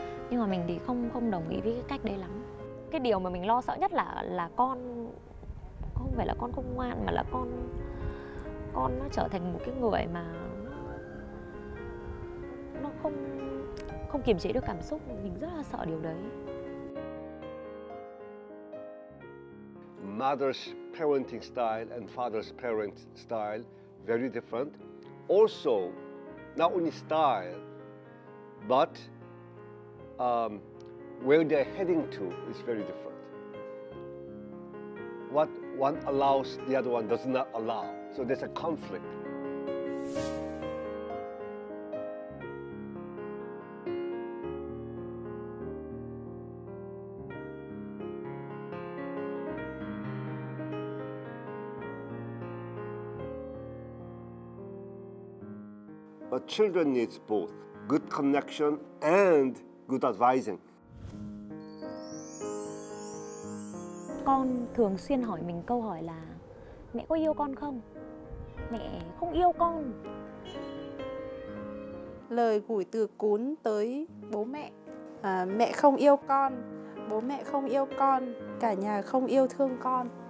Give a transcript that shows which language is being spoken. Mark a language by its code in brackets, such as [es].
[vi] Nhưng mà mình thì không đồng ý với cái cách đấy lắm. Cái điều mà mình lo sợ nhất là con không phải là con không ngoan mà là con nó trở thành một cái người mà nó không kiềm chế được cảm xúc. Mình rất là sợ điều đấy. [en] Mother's parenting style and father's parent style very different. Also, not only style, but where they're heading to is very different. What one allows, the other one does not allow. So there's a conflict. But children needs both good connection and good advising. [vi] Con thường xuyên hỏi mình câu hỏi là mẹ có yêu con không? Mẹ không yêu con. Lời gửi từ cún tới bố mẹ. Mẹ không yêu con, bố mẹ không yêu con, cả nhà không yêu thương con.